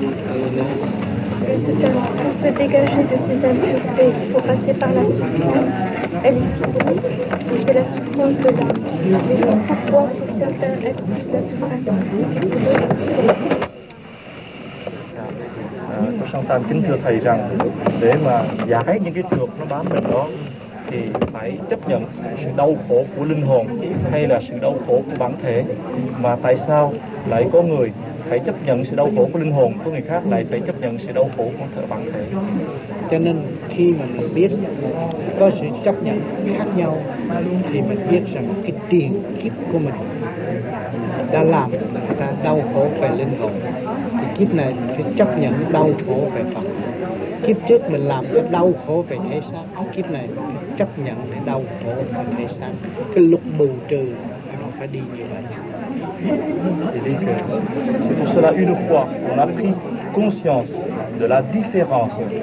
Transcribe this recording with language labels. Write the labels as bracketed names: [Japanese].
[French] Pour se dégager de ces impuretés, il faut passer par la souffrance. Elle est physique, mais c'est la souffrance de l'âme. Mais pourquoi, pour certains, est-ce plus la souffrance physique et pour d'autres, plus la souffrance? [Vietnamese] Chantal kính thưa thầy rằng để mà giải những cái trược nó bám mình đó thì phải chấp nhận sự đau khổ của linh hồn hay là sự đau khổ của bản thể, mà tại sao lại có người phải chấp nhận sự đau khổ của linh hồn, có người khác lại phải chấp nhận sự đau khổ của bản thể? Cho nên khi mà mình biết có sự chấp nhận khác nhau thì mình biết rằng cái tiền kiếp của mình đã làm người ta đau khổ về linh hồn, thì kiếp này mình phải chấp nhận đau khổ về phần. Kiếp trước mình làm cái đau khổ về thể xác, kiếp này mình phải chấp nhận để đau khổ về thể xác. Cái lúc bù trừ nó phải đi như vậy. [French] Il dit que c'est pour cela, une fois qu'on a pris conscience de la différence